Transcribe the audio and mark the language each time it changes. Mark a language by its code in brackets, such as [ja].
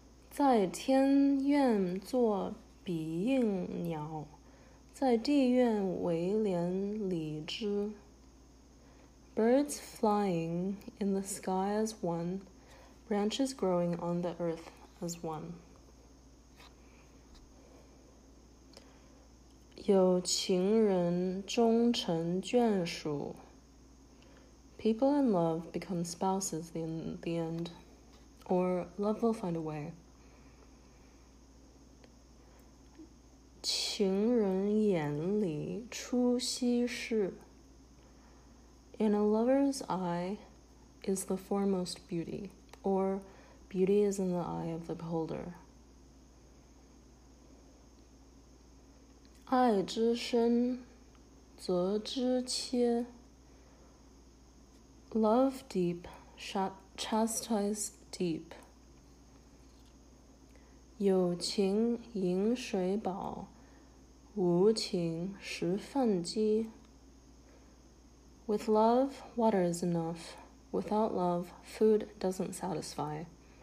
[zh] 在天愿做比翼鸟，在地愿为连理枝。 [en] Birds flying in the sky as one, branches growing on the earth as one. [zh] 有情人终成眷属。 [en] People in love become spouses in the end, or love will find a way. [zh] 情人眼里出西施。 [en] In a lover's eye is the foremost beauty, or beauty is in the eye of the beholder. [zh] 爱之深则之切。 [en] Love deep, chastise deep. [zh] 有情饮水饱，无情食饭饥。 [en] With love, water is enough. Without love, food doesn't satisfy.